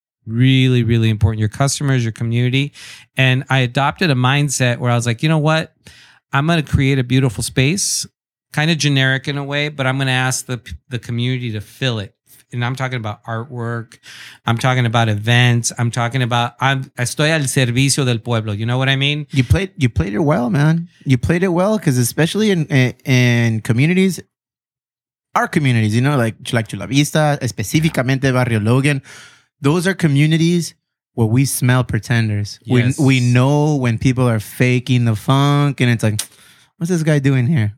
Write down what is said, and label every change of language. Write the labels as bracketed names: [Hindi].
[English] Really, really important. Your customers, your community. And I adopted a mindset where I was like, you know what? I'm going to create a beautiful space, kind of generic in a way, but I'm going to ask the community to fill it. And I'm talking about artwork. I'm talking about events. I'm talking about, [Spanish] estoy al servicio del pueblo. [English] You know what I mean? You played it well, man. You played it well because especially in communities, our communities, you know, like Chula Vista, específicamente Barrio Logan, those are communities where we smell pretenders. Yes. We know when people are faking the funk and it's like, what's this guy doing here?